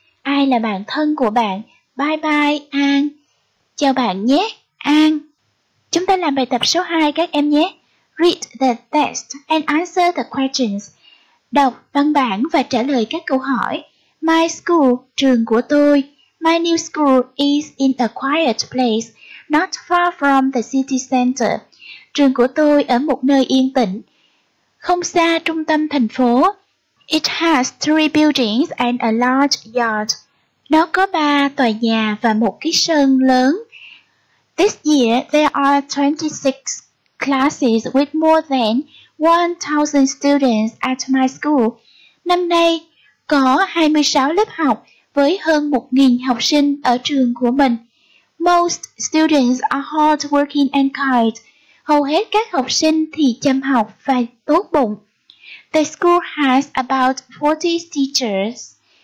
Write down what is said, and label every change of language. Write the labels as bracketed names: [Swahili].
[Vietnamese] Ai là bạn thân của bạn? [English] Bye bye, An. [Vietnamese] Chào bạn nhé, An. Chúng ta làm bài tập số 2 các em nhé. [English] Read the test and answer the questions. [Vietnamese] Đọc văn bản và trả lời các câu hỏi. [English] My school, [Vietnamese] trường của tôi. [English] My new school is in a quiet place, not far from the city center. [Vietnamese] Trường của tôi ở một nơi yên tĩnh, không xa trung tâm thành phố. [English] It has 3 buildings and a large yard. [Vietnamese] Nó có 3 tòa nhà và một cái sân lớn. [English] This year there are 26 classes with more than 1,000 students at my school. [Vietnamese] Năm nay có 26 lớp học với hơn 1,000 học sinh ở trường của mình. [English] Most students are hardworking and kind. [Vietnamese] Hầu hết các học sinh thì chăm học và tốt bụng. [English] The school has about 40 teachers.